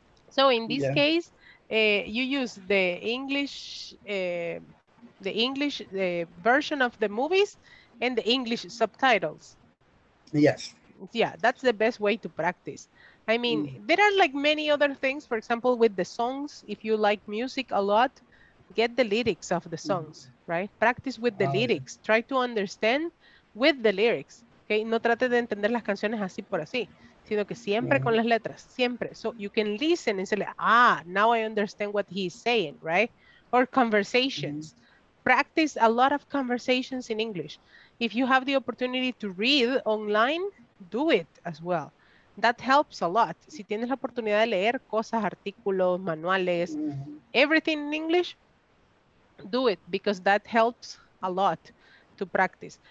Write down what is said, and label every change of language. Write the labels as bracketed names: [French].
[English] So in this case, you use the English the version of the movies and the English subtitles. Yes. Yeah, that's the best way to practice. I mean, there are like many other things, for example, with the songs. If you like music a lot, get the lyrics of the songs, right? Practice with the lyrics. Yeah. Try to understand with the lyrics. [Spanish] Okay, no trate de entender las canciones así por así, sino que siempre con las letras, siempre. [English] So you can listen and say, now I understand what he's saying, right? Or conversations. Mm-hmm. Practice a lot of conversations in English. If you have the opportunity to read online, do it as well. That helps a lot. [Spanish] Si tienes la oportunidad de leer cosas, artículos, manuales, [English] everything in English, do it because that helps a lot to practice.